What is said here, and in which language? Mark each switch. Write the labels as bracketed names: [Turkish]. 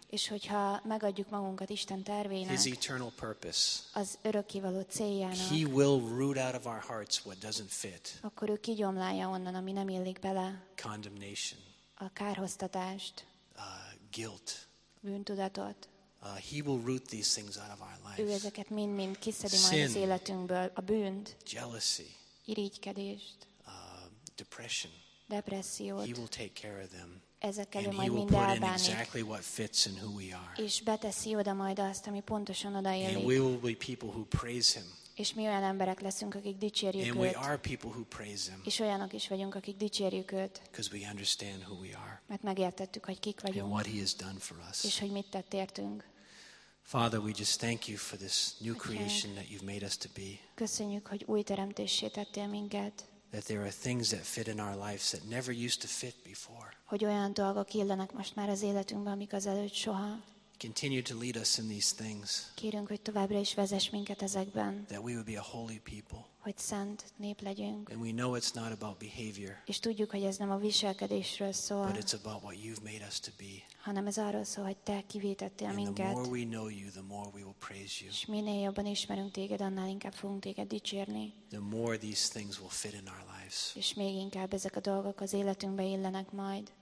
[Hungarian] és hogyha megadjuk magunkat Isten tervének, [English] His eternal purpose, [Hungarian] az örökkévaló céljának, [English] He will root out of our hearts what doesn't fit. [Hungarian] Akkor ő kigyomlálja onnan, ami nem illik bele. [English] Condemnation. [Hungarian] A kárhoztatást. [English] Guilt. [Hungarian] Bűntudatot. [English] He will root these things out of our lives. [Hungarian] Ő ezeket mind-mind kiszedi majd az életünkből. A bűnt. [English] Jealousy. [Hungarian] Irigykedést. [English] Depression. [Hungarian] Depressziót. [English] He will take care of them. [Hungarian] Ezekkel [English] and [Hungarian] ő majd mind elbánik. [English] Exactly what fits in who we are. [Hungarian] És beteszi oda majd azt, ami pontosan odaillik. [English] And we will be people who praise him. [Hungarian] És mi olyan emberek leszünk, akik dicsérjük [English] and [Hungarian] őt. [English] We are people who praise him. [Hungarian] És olyanok is vagyunk, akik dicsérjük őt. [English] Because we understand who we are. [Hungarian] Mert megértettük, hogy kik vagyunk. [English] And what he has done for us. [Hungarian] És hogy mit tett értünk. [English] Father, we just thank you for this new creation that you've made us to be. [Hungarian] Köszönjük, hogy új teremtéssé tettél minket. [English] That there are things that fit in our lives that never used to fit before. [Hungarian] Hogy olyan dolgok illenek most már az életünkben, amik azelőtt soha. [English] Continue to lead us in these things. [Hungarian] Kérünk, hogy továbbra is vezess minket ezekben. [English] That we would be a holy people. [Hungarian] Hogy szent nép legyünk. [English] And we know it's not about behavior. [Hungarian] És tudjuk, hogy ez nem a viselkedésről szól. [English] But it's about what you've made us to be. [Hungarian] Hanem ez arról szól, hogy te kivétettél minket. [English] And the more we know you, the more we will praise you. [Hungarian] És minél jobban ismerünk téged, annál inkább fogunk téged dicsérni. [English] The more these things will fit in our lives. [Hungarian] És még inkább ezek a dolgok az életünkbe illenek majd.